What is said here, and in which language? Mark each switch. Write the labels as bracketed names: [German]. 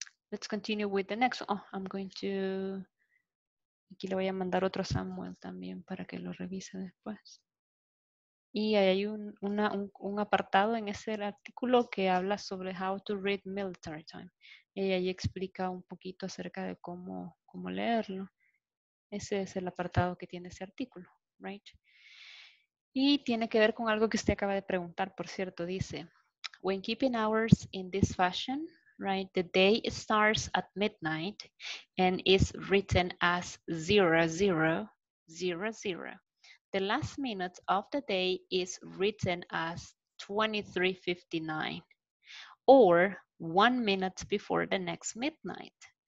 [English] Let's continue with the next one. Oh, I'm going to... [Spanish] Aquí le voy a mandar otro a Samuel también para que lo revise después. Y hay un apartado en ese artículo que habla sobre [English] how to read military time. [Spanish] Y ahí explica un poquito acerca de cómo leerlo. Ese es el apartado que tiene ese artículo, [English] right? [Spanish] Y tiene que ver con algo que usted acaba de preguntar, por cierto. [English] Dice, when keeping hours in this fashion, right, the day starts at midnight and is written as 00:00. The last minute of the day is written as 23:59 or 1 minute before the next midnight.